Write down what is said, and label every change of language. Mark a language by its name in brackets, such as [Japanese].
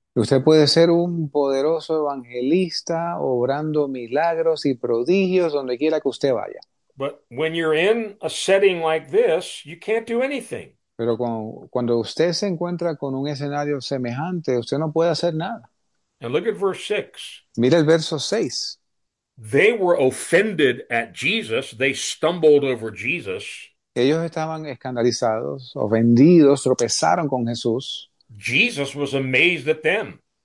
[Spanish] Usted puede ser un poderoso evangelista obrando milagros y prodigios donde quiera que usted vaya. [English] But when you're in a setting like this, you can't do anything. [Spanish] Pero cuando usted se encuentra con un escenario semejante, usted no puede hacer nada. [English] And look at verse 6. [Spanish] Mira el verso 6. [English] They were offended at Jesus. They stumbled over Jesus. [Spanish] Ellos estaban escandalizados, ofendidos, tropezaron con Jesús. [English] Jesus was amazed at them.